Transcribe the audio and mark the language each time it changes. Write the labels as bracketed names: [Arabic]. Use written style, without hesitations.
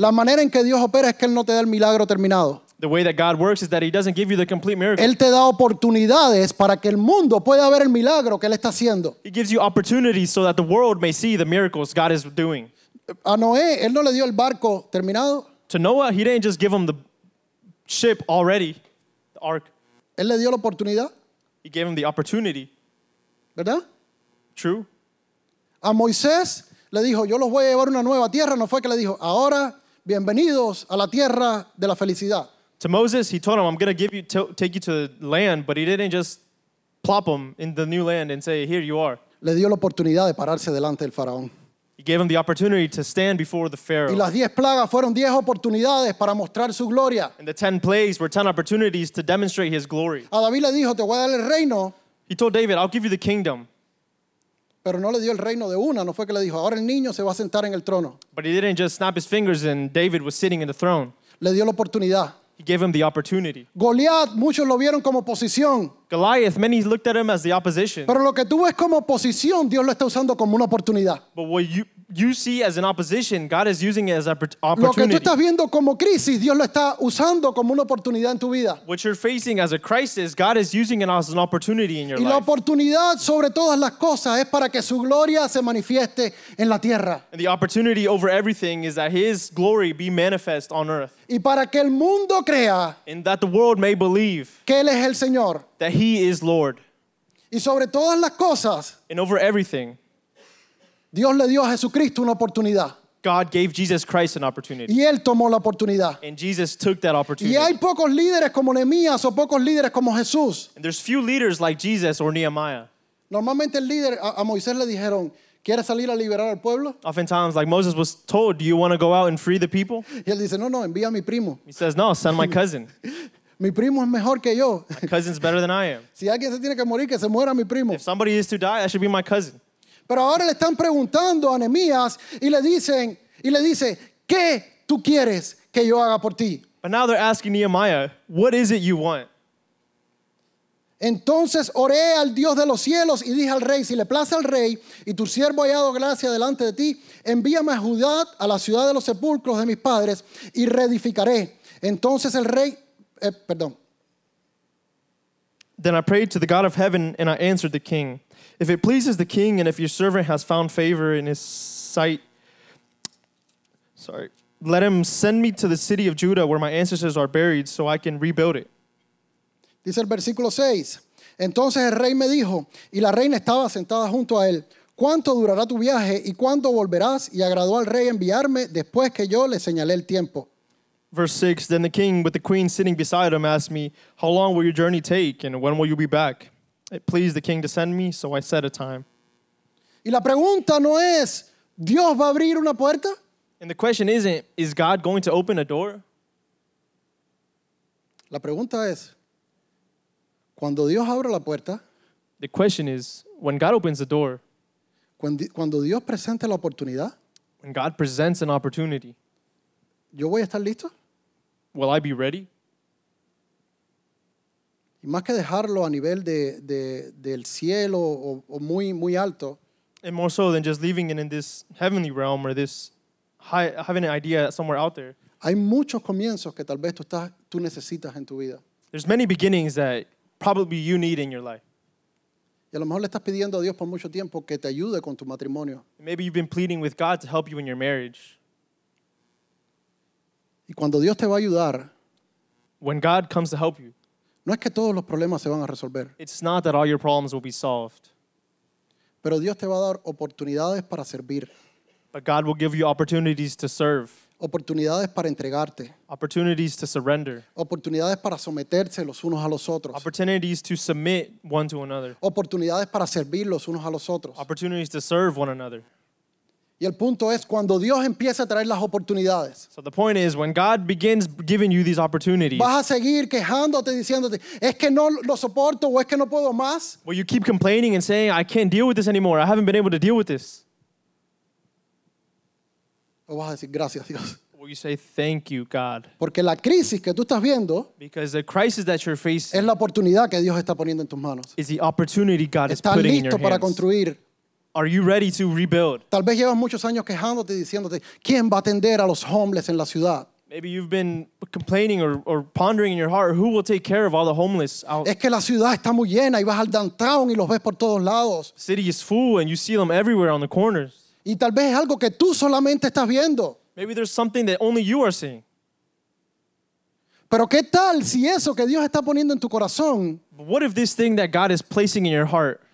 [Spanish] La manera en que Dios opera es que él no te da el milagro terminado. [English] The way that God works is that he doesn't give you the complete miracle. [Spanish] Él te da oportunidades para que el mundo pueda ver el milagro que él está haciendo. [English] He gives you opportunities so that the world may see the miracles God is doing. [Spanish] A Noé, él no le dio el barco terminado. [English] To Noah, he didn't just give him the ship already, the ark. [Spanish] Él le dio la oportunidad. [English] He gave him the opportunity. [Spanish] ¿Verdad? [English] True. [Spanish] A Moisés le dijo, yo los voy a llevar a una nueva tierra. No fue que le dijo, ahora bienvenidos a la tierra de la felicidad. [English] To Moses, he told him, I'm going to give you, take you to the land, but he didn't just plop him in the new land and say, here you are. [Spanish] Le dio la oportunidad de pararse delante del faraón. [English] He gave him the opportunity to stand before the Pharaoh. [Spanish] Y las 10 plagas fueron 10 oportunidades para mostrar su gloria. [English] And the 10 plagues were 10 opportunities to demonstrate his glory. [Spanish] A David le dijo, te voy a dar el reino. [English] He told David, I'll give you the kingdom. [Spanish] Pero no le dio el reino de una, no fue que le dijo, ahora el niño se va a sentar en el trono. [English] But he didn't just snap his fingers and David was sitting in the throne. [Spanish] Le dio la oportunidad. [English] He gave him the opportunity. [Spanish] Goliath, muchos lo vieron como oposición. [English] Goliath, many looked at him as the opposition. [Spanish] Pero lo que tú ves como oposición, Dios lo está usando como una oportunidad. [English] But what you see as an opposition, God is using it as an opportunity. [Spanish] Lo que tú estás viendo como crisis, Dios lo está usando como una oportunidad en tu vida. [English] What you're facing as a crisis, God is using it as an opportunity in your life. [Spanish] Y la oportunidad sobre todas las cosas es para que su gloria se manifieste en la tierra. [English] And the opportunity over everything is that his glory be manifest on earth. [Spanish] Y para que el mundo crea. [English] And that the world may believe. [Spanish] Que él es el Señor. [English] That he is Lord. [Spanish] Y sobre todas las cosas. [English] And over everything. [Spanish] Dios le dio a Jesucristo una oportunidad. [English] God gave Jesus Christ an opportunity. [Spanish] Y él tomó la oportunidad. [English] And Jesus took that opportunity. [Spanish] Y hay pocos líderes como Nehemías o pocos líderes como Jesús. [English] And there's few leaders like Jesus or Nehemiah. [Spanish] Normalmente el líder, a Moisés le dijeron, ¿quieres salir a liberar al pueblo? [English] Oftentimes, like Moses was told, do you want to go out and free the people? [Spanish] Y él dice, no, no, envía a mi primo. [English] He says, no, send my cousin. [Spanish] Mi primo es mejor que yo. [English] My cousin's better than I am. [Spanish] Si alguien se tiene que morir, que se muera mi primo. [English] If somebody is to die, that should be my cousin. [Spanish] Pero ahora le están preguntando a Nehemías y le dicen, y le dice, ¿qué tú quieres que yo haga por ti? [English] But now they're asking Nehemiah, what is it you want? [Spanish] Entonces oré al Dios de los cielos y dije al rey, si le place al rey y tu siervo ha hallado gracia delante de ti, envíame a Judá, a la ciudad de los sepulcros de mis padres y reedificaré. Entonces el rey, perdón. [English] Then I prayed to the God of heaven and I answered the king. If it pleases the king and if your servant has found favor in his sight, sorry, let him send me to the city of Judah where my ancestors are buried so I can rebuild it. [Spanish] Dice el versículo 6. Entonces el rey me dijo, y la reina estaba sentada junto a él, ¿cuánto durará tu viaje y cuándo volverás? Y agradó al rey enviarme después que yo le señalé el tiempo. [English] Verse 6, then the king with the queen sitting beside him asked me, how long will your journey take and when will you be back? It pleased the king to send me, so I set a time. [Spanish] Y la pregunta no es, ¿Dios va a abrir una puerta? [English] And the question isn't, is God going to open a door? [Spanish] La pregunta es, cuando Dios abre la puerta, [English] the question is, when God opens the door, [Spanish] cuando Dios presenta la oportunidad, [English] when God presents an opportunity, [Spanish] ¿yo voy a estar listo? [English] Will I be ready? [Spanish] Y más que dejarlo a nivel del cielo o muy, muy alto. [English] And more so than just leaving it in this heavenly realm or this high, having an idea somewhere out there. [Spanish] Hay muchos comienzos que tal vez tú necesitas en tu vida. [English] There's many beginnings that probably you need in your life. [Spanish] Y a lo mejor le estás pidiendo a Dios por mucho tiempo que te ayude con tu matrimonio. [English] Maybe you've been pleading with God to help you in your marriage. [Spanish] Y cuando Dios te va a ayudar, [English] when God comes to help you, [Spanish] no es que todos los problemas se van a resolver. [English] It's not that all your problems will be solved. [Spanish] Pero Dios te va a dar oportunidades para servir. [English] But God will give you opportunities to serve. [Spanish] Oportunidades para entregarte. [English] Opportunities to surrender. [Spanish] Oportunidades para someterse los unos a los otros. [English] Opportunities to submit one to another. [Spanish] Oportunidades para servir los unos a los otros. [English] Opportunities to serve one another. [Spanish] Y el punto es cuando Dios empieza a traer las oportunidades. [English] So the point is when God begins giving you these opportunities. [Spanish] Vas a seguir quejándote diciéndote, es que no lo soporto o es que no puedo más. [English] Will you keep complaining and saying I can't deal with this anymore. I haven't been able to deal with this. [Spanish] O vas a decir gracias Dios. [English] Will you say thank you God? [Spanish] Porque la crisis que tú estás viendo, [English] because the crisis that you're facing, [Spanish] es la oportunidad que Dios está poniendo en tus manos. [English] Is the opportunity God is putting in your hands. [Spanish] Estás listo para construir. [English] Are you ready to rebuild? [Spanish] Tal vez llevas muchos años quejándote y diciéndote, ¿quién va a atender a los [English] homeless [Spanish] en la ciudad? [English] Maybe you've been complaining or pondering in your heart, who will take care of all the homeless out? [Spanish] Es que la ciudad está muy llena y vas al [English] downtown [Spanish] y los ves por todos lados. [English] City is full and you see them everywhere on the corners. [Spanish] Y tal vez es algo que tú solamente estás viendo. [English] Maybe there's something that only you are seeing. [Spanish] Pero qué tal si eso que Dios está poniendo en tu corazón, [English] but what if this thing that God is placing in your heart,